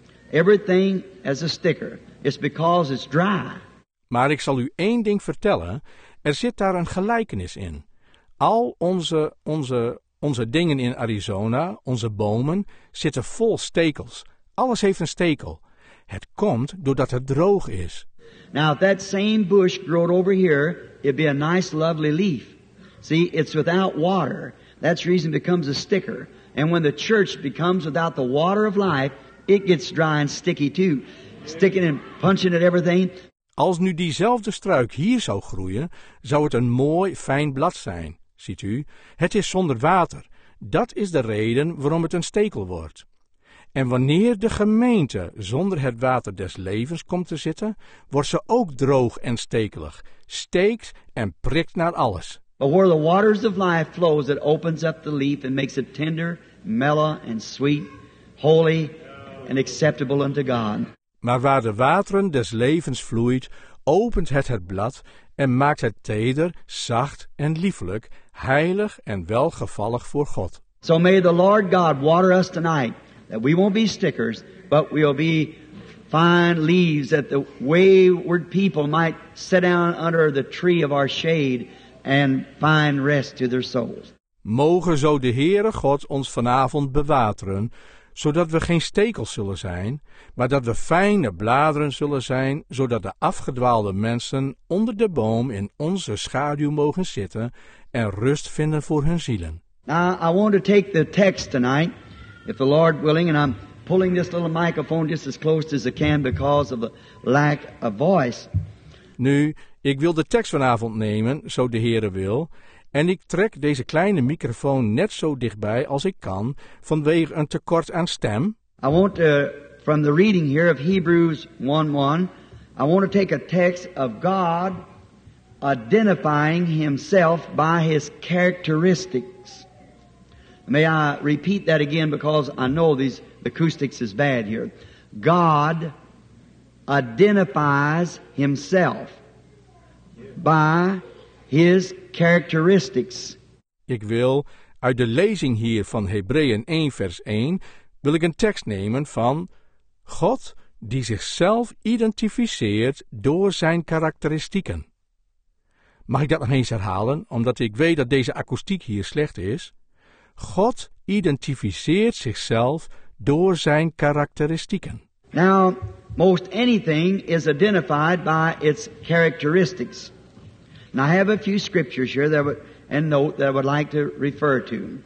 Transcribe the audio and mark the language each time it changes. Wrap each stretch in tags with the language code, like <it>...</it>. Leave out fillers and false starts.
<en>Everything has a sticker. It's because it's dry.</en> <nl>Maar ik zal u één ding vertellen. Er zit daar een gelijkenis in. Al onze dingen in Arizona, onze bomen, zitten vol stekels. Alles heeft een stekel. Het komt doordat het droog is.</nl> <en>Now, if that same bush growed over here, it'd be a nice, lovely leaf. See, it's without water. That's reason it becomes a sticker. And when the church becomes without the water of life, it gets dry and sticky too. Sticking and punching at everything.</en> <nl>Als nu diezelfde struik hier zou groeien, zou het een mooi, fijn blad zijn. Ziet u, het is zonder water. Dat is de reden waarom het een stekel wordt. En wanneer de gemeente zonder het water des levens komt te zitten, wordt ze ook droog en stekelig, steekt en prikt naar alles.</nl> <en>But where the waters of life flows, it opens up the leaf and makes it tender, mellow and sweet, holy and acceptable unto God.</en> <nl>Maar waar de wateren des levens vloeit, opent het blad en maakt het teder, zacht en lieflijk, heilig en welgevallig voor God.</nl> <en>So may the Lord God water us tonight, that we won't be stickers, but we'll be fine leaves, that the wayward people might sit down under the tree of our shade and find rest to their souls.</en> <nl>Mogen zo de Heere God ons vanavond bewateren, zodat we geen stekels zullen zijn, maar dat we fijne bladeren zullen zijn, zodat de afgedwaalde mensen onder de boom in onze schaduw mogen zitten en rust vinden voor hun zielen.</nl> <en>Now, I want to take the text tonight, if the Lord willing, and I'm pulling this little microphone just as close as I can because of a lack of voice.</en> <nl>Nu, ik wil de tekst vanavond nemen, zo de Heere wil. En ik trek deze kleine microfoon net zo dichtbij als ik kan, vanwege een tekort aan stem.</nl> <en>I want to, from the reading here of Hebrews 1:1, I want to take a text of God identifying himself by his characteristics. May I repeat that again, because I know the acoustics is bad here. God identifies himself by his characteristics.</en> <nl>Ik wil uit de lezing hier van Hebreeën 1 vers 1 wil ik een tekst nemen van God die zichzelf identificeert door zijn karakteristieken. Mag ik dat nog eens herhalen, omdat ik weet dat deze akoestiek hier slecht is? God identificeert zichzelf door zijn karakteristieken.</nl> <en>Now, most anything is identified by its characteristics. And I have a few scriptures here that I would like to refer to.</en>